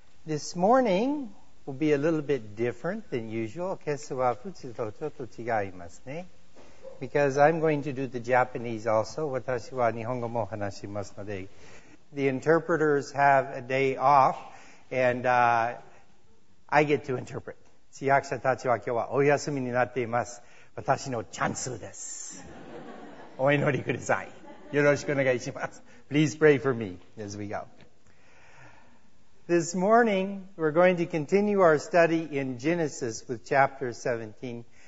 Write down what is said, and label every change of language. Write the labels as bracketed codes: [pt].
[en] This morning will be a little bit different than usual. [ja] 今朝はちょっと違いますね。 [en] Because I'm going to do the Japanese also. [ja] 私は日本語も話しますので。 [en] The interpreters have a day off, and I get to interpret. [ja] 通訳者たちは今日はお休みになっています。私のチャンスです。お祈りください。よろしくお願いします。 [en] Please pray for me as we go. This morning, we're going to continue our study in Genesis with chapter 17.